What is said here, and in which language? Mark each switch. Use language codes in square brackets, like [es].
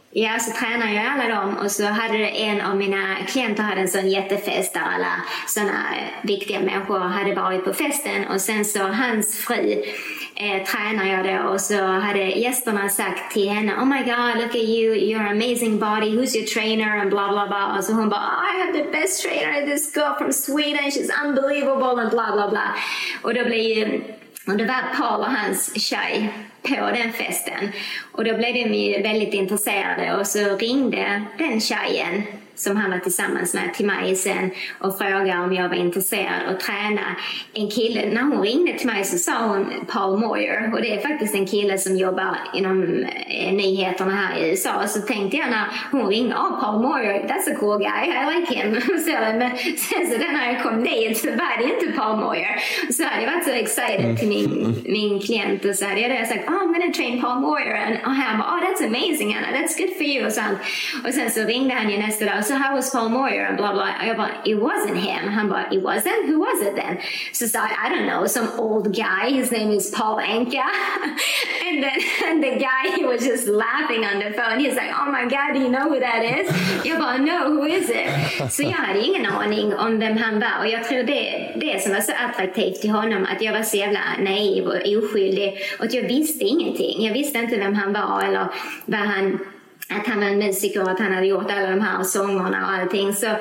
[sv] Ja, så tränade jag alla dem. Och så hade en av mina klienter hade en sån jättefest där alla såna viktiga människor hade varit på festen. Och sen så hans fru tränar jag det, och så hade gästerna sagt till henne, [en] oh my god, look at you, you're amazing body, who's your trainer, and blah blah blah. [sv] Och så hon bara, [en] oh, I have the best trainer, this girl from Sweden, she's unbelievable, and blah blah blah. [sv] Och då blev ju, och det var Paul och hans tjej på den festen, och då blev de ju väldigt intresserade, och så ringde den tjejen som han var tillsammans med till mig sen och frågade om jag var intresserad att träna en kille. När hon ringde till mig så sa hon Paul Moyer, och det är faktiskt en kille som jobbar inom nyheterna här i USA. Så tänkte jag, när hon ringde, [en] oh, Paul Moyer, that's a cool guy, I like him. [sv] Men sen så när jag kom dit så var det inte Paul Moyer. Så hade jag varit så excited till min klient, och så hade jag sagt, [en] oh, I'm gonna train Paul Moyer, [sv] och han bara, [en] oh, that's amazing Anna, that's good for you, [sv] och sånt. Och sen så ringde han ju nästa dag, [en] so how was Paul Moyer, and blah blah. I thought it wasn't him. I thought it wasn't. Who was it then? So I don't know, some old guy. His name is Paul Anka. And then and the guy, he was just laughing on the phone. He's like, oh my god, do you know who that is? [sv] Jag bara, [en] no, who is it? [sv] Så jag hade ingen aning om vem han var. Och jag tror det som var så attraktivt till honom, att jag var så jävla naiv och oskyldig, och att jag visste ingenting. Jag visste inte vem han var, eller vad han, att han var en musiker och att han hade gjort alla de här sångerna och allting.